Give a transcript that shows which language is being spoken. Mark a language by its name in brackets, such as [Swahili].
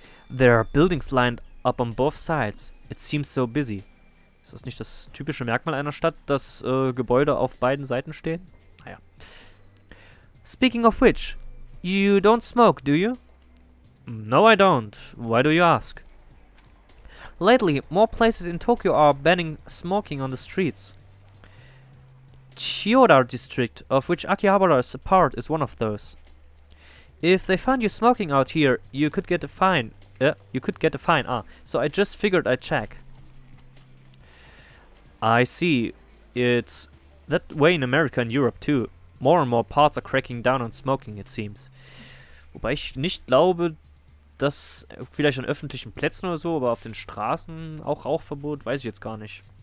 [English] There are buildings lined up on both sides. It seems so busy. [German] Ist das nicht das typische Merkmal einer Stadt, dass Gebäude auf beiden Seiten stehen? Naja. [English] Speaking of which, you don't smoke, do you? No, I don't. Why do you ask? Lately, more places in Tokyo are banning smoking on the streets. Chiyoda District, of which Akihabara is a part, is one of those. If they find you smoking out here, you could get a fine. So I just figured I'd check. I see. It's that way in America and Europe too. More and more parts are cracking down on smoking, it seems. [German] Wobei ich nicht glaube, dass vielleicht an öffentlichen Plätzen oder so, aber auf den Straßen auch Rauchverbot, weiß ich jetzt gar nicht.